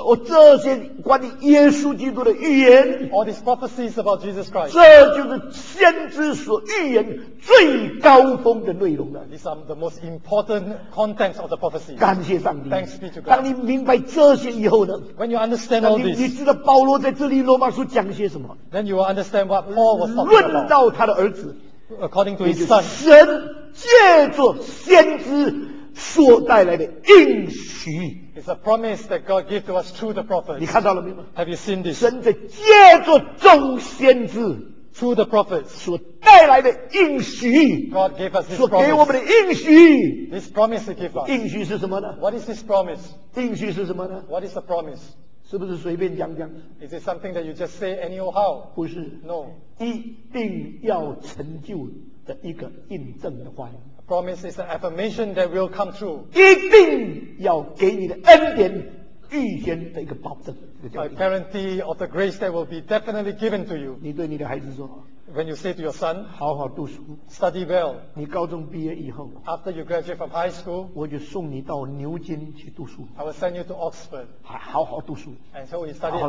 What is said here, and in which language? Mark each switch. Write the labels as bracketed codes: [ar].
[zh] 哦，这些关于耶稣基督的预言。 [en] All these prophecies about Jesus Christ. [zh] 这就是先知所预言最高峰的内容了。 [en] These are the most important contents of the prophecy. [zh] 感谢上帝。 [en] Thanks be to God. [zh] 当你明白这些以后呢 [en] ？When you understand all this. [zh] 你知道保罗在这里罗马书讲些什么 [en] ？Then you will understand what Paul was talking about. [zh] 论到他的儿子 [en] ，According to his son. [zh] 神借着先知。所带来的应许 [en] It's a promise that God gave to us through the prophets. [zh] 你看到了没有 [en] Have you seen this? [zh] 神在借着众先知 [en] Through the prophets. [zh] 所带来的应许 [en] God gave us this [zh] 所给我们的应许 [en] This promise he gave us. [zh] 应许是什么呢 [en] What is this promise? [zh] 应许是什么呢 [en] What is the promise? [zh] 是不是随便讲讲 [en] Is it something that you just say anyhow? [zh] 不是 [en] No. [zh] 一定要成就的一个印证的话语 [en] Promise is an affirmation that will come true. [zh] 一定要给你的恩典预言的一个保证。 [en] A guarantee of the grace that will be definitely given to you. [zh] 你对你的孩子说。 [en] When you say to your son, [zh] 好好读书。 [en] Study well. [zh] 你高中毕业以后。 [en] After you graduate from high school. [zh] 我就送你到牛津去读书。 [en] I will send you to Oxford. [zh] 好好读书。 [en] And so you study hard.